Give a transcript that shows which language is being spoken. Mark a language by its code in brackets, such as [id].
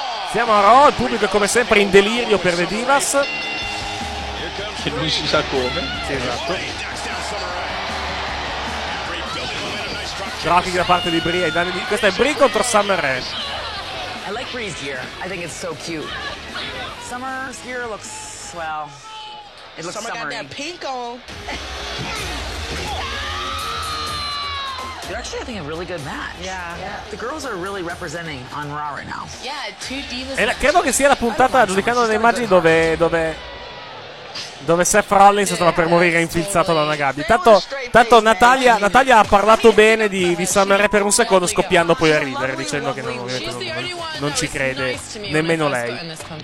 [it] Siamo a Raw, il pubblico è come sempre in delirio per le Divas. Che non si sa come. Sì, esatto. Grafica da parte di Brie, questa è Brie contro Summer Rae. [en] I like Brie's gear, I think it's so cute. Summer's gear looks, well, it looks summery. Summer got that pink on. They're actually having a really good match. Yeah. The girls are really representing on Raw right now. Yeah, two divas. [it] E credo che sia la puntata, giudicando le immagini, dove Seth Rollins stava per morire infilzato da una gabbia. Tanto Natalia ha parlato bene di Summer Rae per un secondo, scoppiando poi a ridere, dicendo che non ci crede nemmeno lei.